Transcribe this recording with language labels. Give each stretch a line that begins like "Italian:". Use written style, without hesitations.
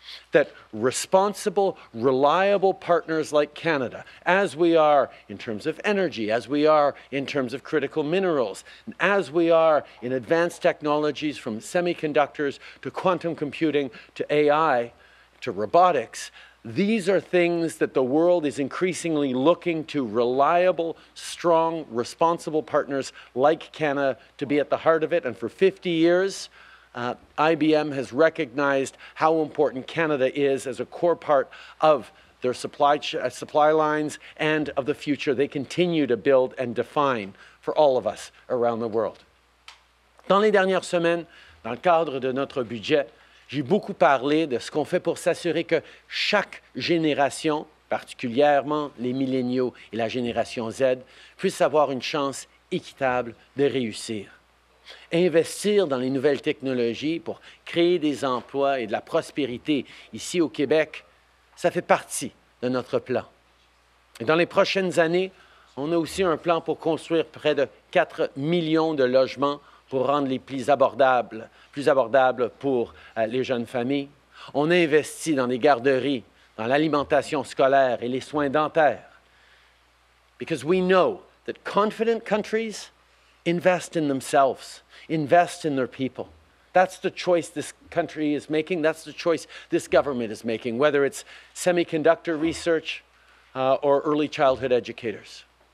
English: that responsible, reliable partners like Canada, as we are in terms of energy, as we are in terms of critical minerals, and as we are in advanced technologies from semiconductors to quantum computing to AI to robotics, these are things that the world is increasingly looking to reliable, strong, responsible partners like Canada to be at the heart of it. And for 50 years, IBM has recognized how important Canada is as a core part of their supply lines and of the future they continue to build and define for all of us around the world.
French: Dans les dernières semaines, dans le cadre de notre budget, j'ai beaucoup parlé de ce qu'on fait pour s'assurer que chaque génération, particulièrement les milléniaux et la génération Z, puisse avoir une chance équitable de réussir. Investir dans les nouvelles technologies pour créer des emplois et de la prospérité ici au Québec, ça fait partie de notre plan. Et dans les prochaines années, on a aussi un plan pour construire près de 4 millions de logements pour rendre les plus abordables pour les jeunes familles. On investit dans les garderies, dans l'alimentation scolaire et les soins dentaires.
English: Because we know that confident countries invest in themselves, invest in their people. That's the choice this country is making. That's the choice this government is making, whether it's semiconductor research or early childhood educators.